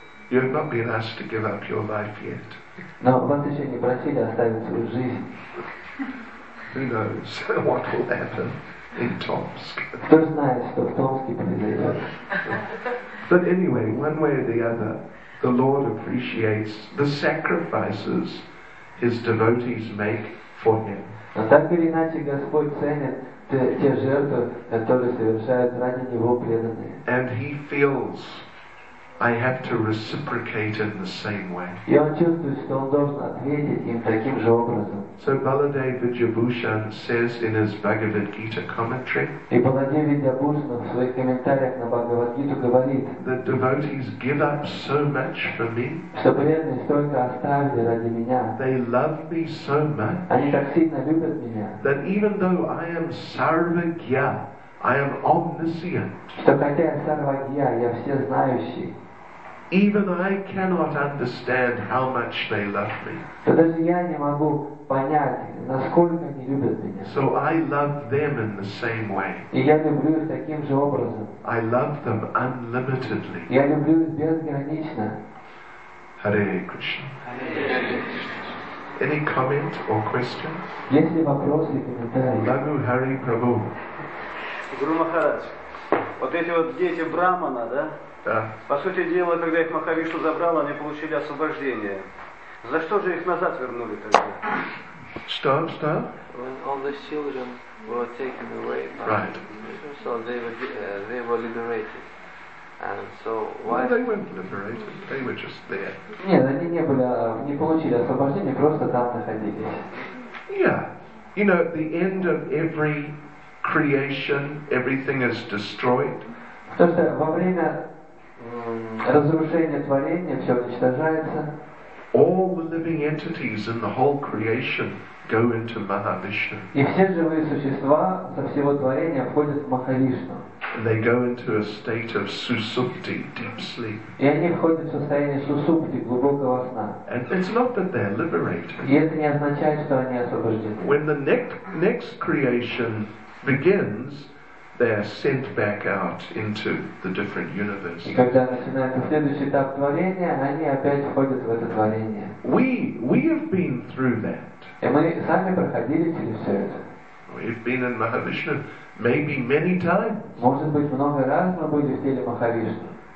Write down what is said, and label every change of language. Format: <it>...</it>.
<en>You have not been asked to give up your life yet.</en> <ru>Но вас еще не просили оставить свою жизнь.</ru> <en>Who knows what will happen in Tomsk?</en> <ru>Кто знает, что в Томске произойдет.</ru> <en>But anyway, one way or the other, the Lord appreciates the sacrifices His devotees make for Him.</en> <ru>Но так или иначе Господь ценит те жертвы, которые совершают ради Него преданные.</ru> <en>And He feels I have to reciprocate in the same way.</en> <ru>И он чувствует, что он должен ответить им таким же образом.</ru> <en>So Baladev Vidyabhushan says in his Bhagavad Gita commentary.</en> <ru>И Баладев Видьябхушан в своих комментариях на Бхагавад-гиту говорит.</ru> <en>That devotees give up so much for me.</en> <ru>Что преданные столько оставили ради меня.</ru> <en>They love me so much.</en> <ru>Они так сильно любят меня.</ru> <en>That even though I am Sarvagya, I am omniscient.</en> <ru>Что хотя я сарвагья, я всезнающий.</ru> <en>Even I cannot understand how much they love me.</en> <ru>То даже я не могу понять, насколько они любят меня.</ru> <en>So I love them in the same way.</en> <ru>И я люблю их таким же образом.</ru> <en>I love them unlimitedly.</en> <ru>Я люблю их безгранично.</ru> <en>Hare Krishna. Any comment or question?</en> <ru>Есть ли вопросы, комментарии? Лагу Хари Прабху. Гуру Махарадж, вот эти вот дети Брахмана, да? Да. По сути дела, когда их Махаришу забрал, они получили освобождение. За что же их назад вернули тогда? Что? Что?</ru> <en>When all the children were taken away. Right. So they were liberated. And so why? Well, they weren't liberated. They were just there.</en> <ru>Нет, они не были, не получили освобождение, просто там находились.</ru> <en>Yeah. You know, the end of every creation, everything is destroyed.</en> <ru>То что во время разрушения творения все уничтожается.</ru> <en>All the living entities in the whole creation go into Mahavishnu.</en> <ru>И все живые существа со всего творения входят в Махавишну.</ru> <en>And they go into a state of susupti, deep sleep.</en> <ru>И они входят в состояние сусупти, глубокого сна.</ru> <en>And it's not that they're liberated.</en> <ru>И это не означает, что они освобождены.</ru> <en>When the next creation begins, they are sent back out into the different universes.</en> <ru>И когда начинается следующий этап творения, они опять входят в это творение.</ru> <en>We have been through that.</en> <ru>И мы сами проходили через все это.</ru> <en>We've been in Mahavishnu maybe many times.</en> <ru>Может быть, много раз мы были в теле Махавишны.</ru>